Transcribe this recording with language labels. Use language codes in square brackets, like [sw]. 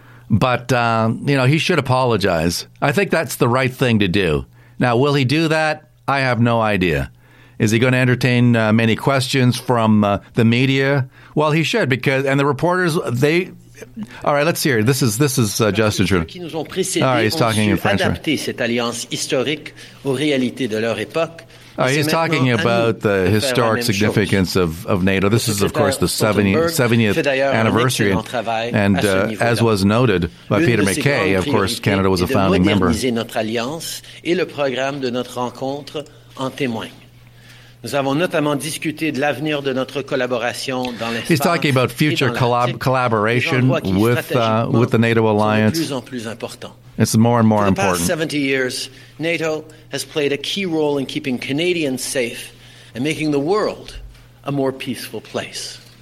[en] But, you know, he should apologize. I think that's the right thing to do. Now, will he do that? I have no idea. Is he going to entertain many questions from the media? Well, he should, because and the reporters, they... All right, let's hear it. This is Justin Trudeau. [fr] Qui nous ont précédé, [en] all right, he's talking in French. [fr] Adapter cette alliance historique aux réalités de leur époque. [en] He's talking about the historic significance of NATO. This is, of course, the 70th anniversary. And as was noted by Peter Mackay, of course, Canada was a founding member. [fr] Moderniser notre alliance et le programme de notre rencontre en témoigne. Nous avons notamment discuté de l'avenir de notre collaboration dans l'espace. [en] He's talking about future collaboration with the NATO alliance. [fr] Plus en plus important. [en] It's more and more important. For the past 70 years, NATO has played a key role in keeping Canadians safe and making the world a more peaceful place.